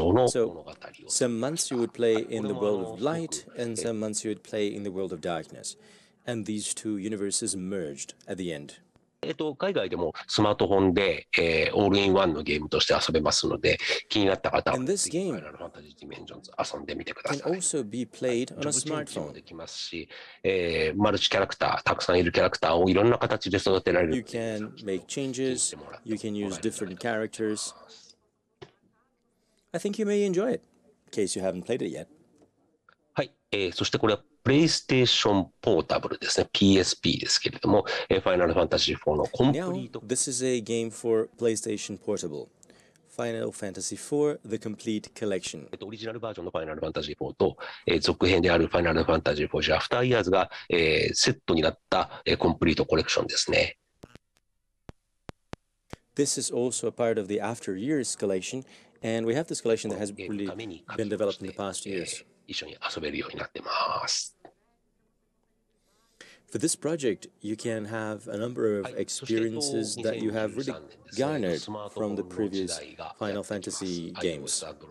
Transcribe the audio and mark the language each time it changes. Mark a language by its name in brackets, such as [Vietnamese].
[English] So some months you would play in the world of light and some months you would play in the world of darkness. And these two universes merged at the end. [Japanese] 海外でもスマートフォンで、オールインワンのゲームとして遊べますので、気になった方は、 [English] And this game [Japanese] ファイナルファンタジーディメンジョンズ遊んでみてください。 [English] Can also be played on a smartphone. [Japanese] もできますし、マルチキャラクター、たくさんいるキャラクターをいろんな形で育てられる。 [English] You can make changes. You can use different characters. I think you may enjoy it, in case you haven't played it yet. [Japanese] はい、そしてこれはプレイステーションポータブルですね、PSP ですけれども、ファイナルファンタジー4のコンプリート。 [English] Now, this is a game for PlayStation Portable. Final Fantasy IV, The Complete Collection. [Japanese] オリジナルバージョンのファイナルファンタジー4と、続編であるファイナルファンタジー4ジャフターイヤーズが、セットになった、コンプリートコレクションですね。 [English] This is also a part of the After Years Collection, and we have this collection that has really been developed in the past years. [Japanese] 一緒に遊べるようになってます。 [English] For this project, you can have a number of experiences that you have really garnered from the previous Final Fantasy games.